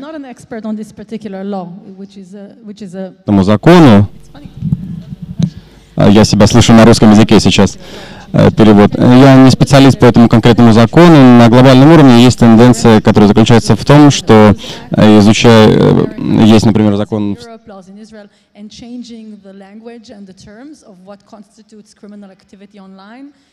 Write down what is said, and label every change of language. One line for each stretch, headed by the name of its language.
English: Not an expert on this particular law, which is a.
Russian: Тому закону. Я себя слышу на русском языке сейчас. Перевод. Я не специалист по этому конкретному закону. На глобальном уровне есть тенденция, которая заключается в том, что изучая, есть, например, закон
English: and changing the language and the terms of what constitutes criminal activity online.